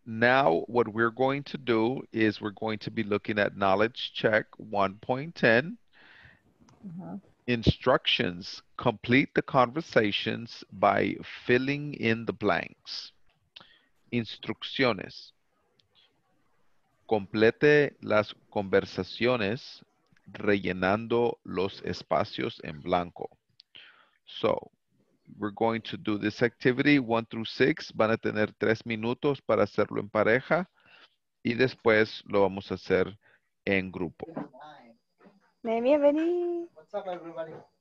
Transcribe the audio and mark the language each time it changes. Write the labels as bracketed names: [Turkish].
[English] Now, what we're going to do is we're going to be looking at knowledge check 1.10. Uh-huh. Instructions. Complete the conversations by filling in the blanks. [Spanish] Instrucciones. Complete las conversaciones rellenando los espacios en blanco. [English] So, we're going to do this activity 1 through 6. [Spanish] Van a tener 3 minutos para hacerlo en pareja y después lo vamos a hacer en grupo. Bienvenido. [English] What's up, everybody?